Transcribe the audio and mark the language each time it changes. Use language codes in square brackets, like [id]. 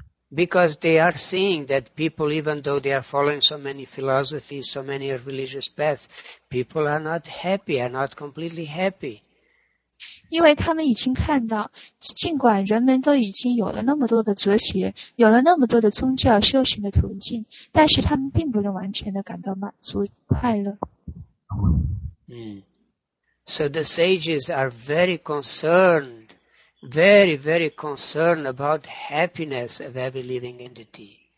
[en] Because they are seeing that people, even though they are following so many philosophies, so many religious paths, people are not happy, are not completely happy. [zh] 因为他们已经看到，尽管人们都已经有了那么多的哲学，有了那么多的宗教修行的途径，但是他们并不能完全的感到满足快乐。 [en] So the sages are very, very concerned about happiness of every living entity.